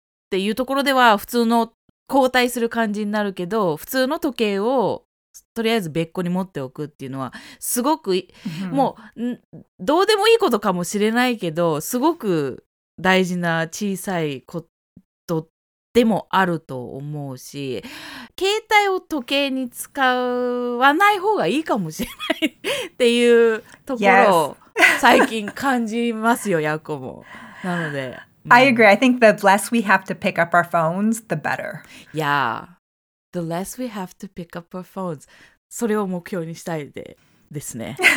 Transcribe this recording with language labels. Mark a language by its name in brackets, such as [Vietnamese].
[Japanese] ていうところでは普通の交代する感じになるけど、普通の時計をとりあえず別個に持っておくっていうのはすごく、もうどうでもいいことかもしれないけど、すごく大事な小さいことでもあると思うし、携帯を時計に使わない方がいいかもしれないっていうところを最近感じますよ、ヤコも。なので、 [English] I agree. I think the less we have to pick up our phones, the better. Yeah. The less we have to pick up our phones. [Japanese] それを目標にしたいで、ですね。